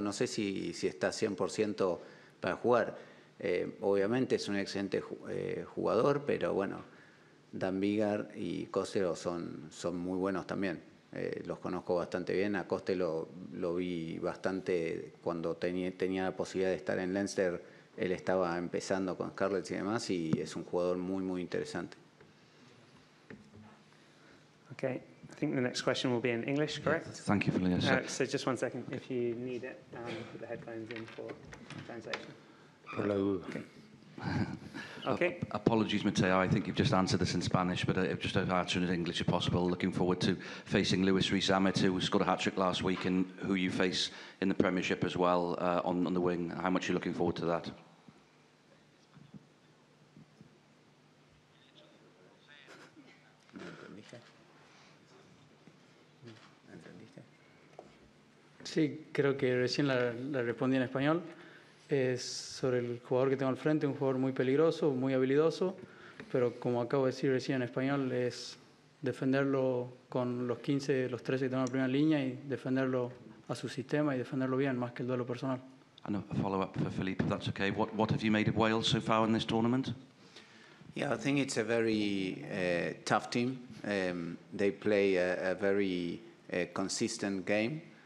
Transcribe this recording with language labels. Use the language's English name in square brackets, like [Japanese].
[Spanish] No sé si está 100% para jugar. Obviamente es un excelente jugador, pero bueno, Dan Bigard y Costello son muy buenos también. Los conozco bastante bien. A Costello lo vi bastante cuando tenía la posibilidad de estar en Leinster. Él estaba empezando con Scarlett y demás, y es un jugador muy, muy interesante. [English] Okay, I think the next question will be in English, correct? Yes, thank you for letting us know. So just one second, if you need it, put the headphones in for translation. Hello. Okay. Apologies, Mateo. I think you've just answered this in Spanish, but just answer it in English if possible. Looking forward to facing Lewis Rhys-Summitt, who scored a hat trick last week, and who you face in the Premiership as well on the wing. How much are you looking forward to that? [Spanish] Sí, creo que recién la respondí en español. Es sobre el jugador que tengo al frente, un jugador muy peligroso, muy habilidoso, pero como acabo de decir recién en español, es defenderlo con los 15, los 13 que tengo en la primera línea y defenderlo a su sistema y defenderlo bien más que el duelo personal. [English] And a follow-up for Philippe, if that's okay. What have you made of Wales so far in this tournament? Yeah, I think it's a very tough team. They play a very consistent game.